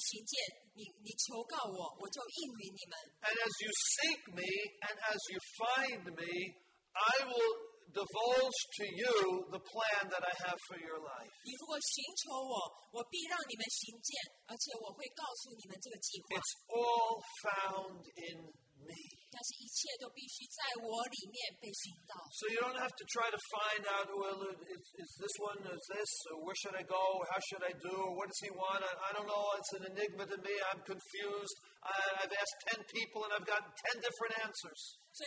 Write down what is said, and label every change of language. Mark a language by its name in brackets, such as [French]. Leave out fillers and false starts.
[Chinese] 你寻求我，我必备你们寻见。你求告我，我就应允你们。 [English] And as you seek me and as you find me, I will divulge to you the plan that I have for your life. [Chinese] 你如果寻求我，我必让你们寻见，而且我会告诉你们这个计划。 [English] It's all found in me. [Chinese] 但是一切都必须在我里面被寻到。 [English] So you don't have to try to find out, well, is this one, is this, or where should I go, how should I do, or what does he want? I don't know, it's an enigma to me, I'm confused. I've asked 10 people and I've gotten 10 different answers.